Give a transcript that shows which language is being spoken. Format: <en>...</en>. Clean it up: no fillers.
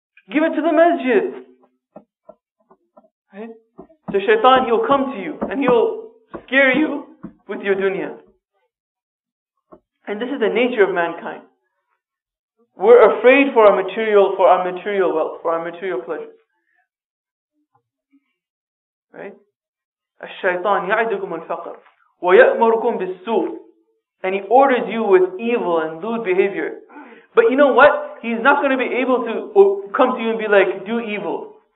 <en>Give it to the masjid. Right? So shaitan, he'll come to you and he'll scare you with your dunya. And this is the nature of mankind. We're afraid for our material wealth, for our material pleasure. Right?</en> <ar>الشيطان يعدكم الفقر ويأمركم بالسوء.</ar> <en>And he orders you with evil and lewd behavior. But you know what? He's not going to be able to come to you and be like, do evil.</en>